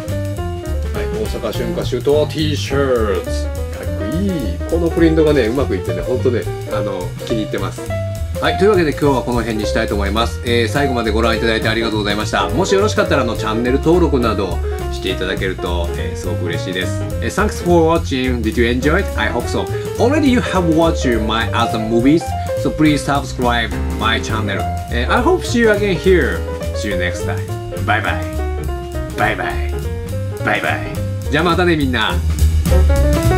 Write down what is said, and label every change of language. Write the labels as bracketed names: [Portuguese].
[Japanese] はい、大阪春夏秋冬 T シャツ、かっこいい。このプリントがね、うまくいってね、本当ね、気に入ってます。はい、というわけで今日はこの辺にしたいと思います。最後までご覧いただいてありがとうございました。もしよろしかったらチャンネル登録などしていただけると、すごく嬉しいです。 [English] Thanks for watching. Did you enjoy it? I hope so. Already you have watched my other movies, so please subscribe my channel. I hope see you again here. See you next time. Bye bye. [Japanese] バイバイ。バイバイ。じゃあまたね、みんな。